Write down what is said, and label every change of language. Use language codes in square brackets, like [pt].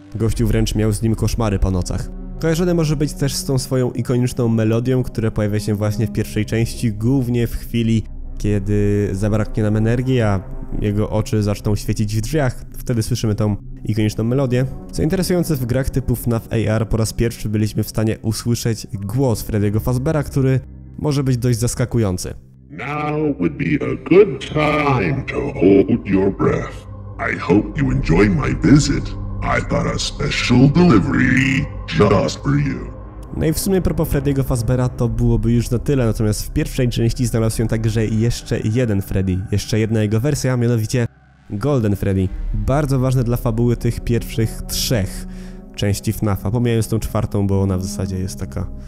[pl] Gościu wręcz miał z nim koszmary po nocach. Kojarzone może być też z tą swoją ikoniczną melodią, która pojawia się właśnie w pierwszej części, głównie w chwili, kiedy zabraknie nam energii, a jego oczy zaczną świecić w drzwiach, wtedy słyszymy tą ikoniczną melodię. Co interesujące, w grach typu FNAF AR po raz pierwszy byliśmy w stanie usłyszeć głos Freddy'ego Fazbeara, który może być dość zaskakujący. [en] Now would be a good time to hold your breath. I hope you enjoy my visit. I've got a special delivery just for you. [pl] No i w sumie propos Freddy'ego Fazbeara to byłoby już na tyle, natomiast w pierwszej części znalazł się także jeszcze jeden Freddy, jeszcze jedna jego wersja, mianowicie Golden Freddy. Bardzo ważny dla fabuły tych pierwszych trzech części FNAF-a, pomijając tą czwartą, bo ona w zasadzie jest taka...